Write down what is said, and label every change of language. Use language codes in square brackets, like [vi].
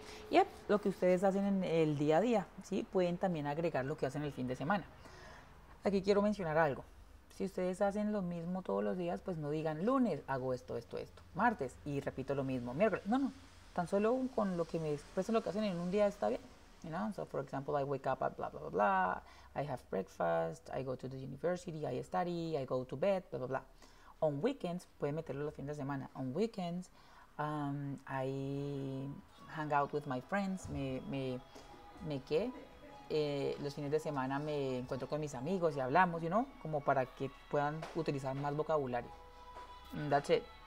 [es] Yep, lo que ustedes hacen en el día a día, ¿sí? Pueden también agregar lo que hacen el fin de semana. Aquí quiero mencionar algo. Si ustedes hacen lo mismo todos los días, pues no digan lunes hago esto, martes y repito lo mismo, miércoles. No, tan solo con lo que me expreso lo que hacen en un día está bien. [en] You know, so for example, I wake up at blah, blah, blah, blah, I have breakfast, I go to the university, I study, I go to bed, blah, blah, blah. On weekends, [es] pueden meterlo los fines de semana. [en] On weekends, I hang out with my friends, [es] los fines de semana me encuentro con mis amigos y hablamos, you know, como para que puedan utilizar más vocabulario. [en] That's it.